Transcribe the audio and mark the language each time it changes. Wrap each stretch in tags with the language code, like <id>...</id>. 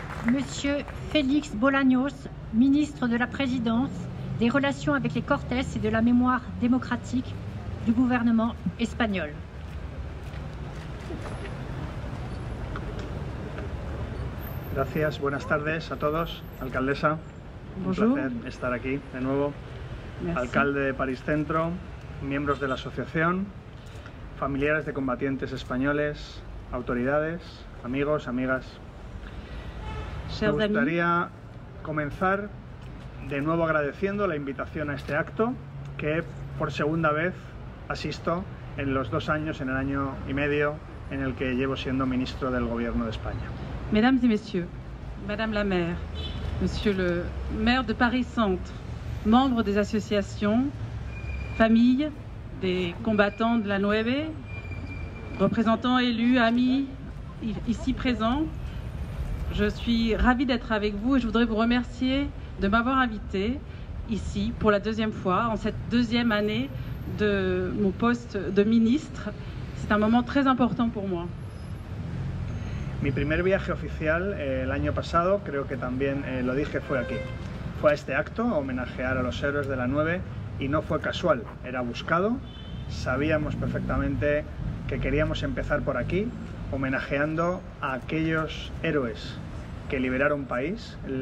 <fr>Monsieur Félix Bolaños, ministre de la Présidence, des Relations avec les Cortes et de la Mémoire démocratique du gouvernement espagnol.</fr> <es>Gracias, buenas tardes a todos, alcaldesa.</es> <fr>Bonjour.</fr> <es>Un placer estar aquí de nuevo.</es> <fr>Merci.</fr> <es>Alcalde de París Centro, miembros de la asociación, familiares de combatientes españoles, autoridades, amigos, amigas.</es> <fr>Chers</fr> <es>amis. Me gustaría comenzar de nuevo agradeciendo la invitación a este acto que por segunda vez asisto en los dos años, en el año y medio en el que llevo siendo ministro del gobierno de España.</es> <fr>Mesdames et messieurs, madame la maire, monsieur le maire de Paris Centre, membres des associations, familles, des combattants de la Nueve, représentants élus, amis ici présents, je suis ravie d'être avec vous et je voudrais vous remercier de m'avoir invité ici pour la deuxième fois, en cette deuxième année de mon poste de ministre. C'est un moment très important pour moi.</fr> <es>Mi primer viaje oficial el año pasado, creo que también lo dije, fue aquí. Fue a este acto, a homenajear a los héroes de la 9, y no fue casual, era buscado. Sabíamos perfectamente que queríamos empezar por aquí, homenajeando a aquellos héroes que liberaron París,</es>